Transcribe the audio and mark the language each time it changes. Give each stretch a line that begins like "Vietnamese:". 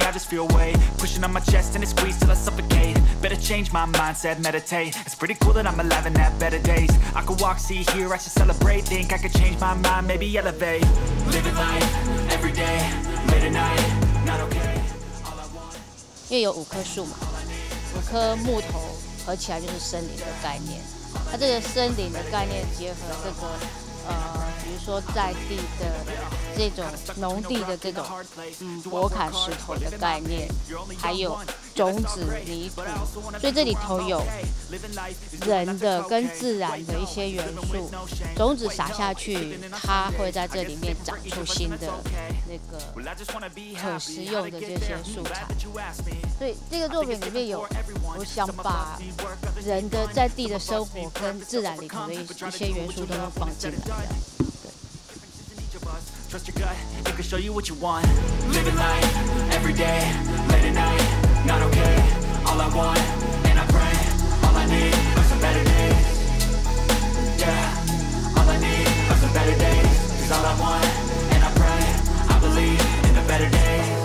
English: I just feel weight pushing on my chest and it squeezes till I suffocate. Better change my mindset, meditate. It's pretty cool that I'm alive and have better days. I could walk, see, hear, I should celebrate. Think I could change my mind, maybe elevate. Living life, every day, late at night, not okay. All I want.
Chinese: 因为有五棵树嘛，五棵木头合起来就是森林的概念。它这个森林的概念结合这个比如说在地的这种农地的这种火砍石头的概念，还有种子泥土，所以这里头有人的跟自然的一些元素。种子撒下去，它会在这里面长出新的那个可食用的这些素材。所以这个作品里面有，我想把人的在地的生活跟自然里头的一些元素都放进来。
English: Trust your gut, it can show you what you want. Living life, every day, late at night, not okay. All I want, and I pray, all I need are some better days. Yeah, all I need are some better days. Cause all I want, and I pray, I believe in a better day.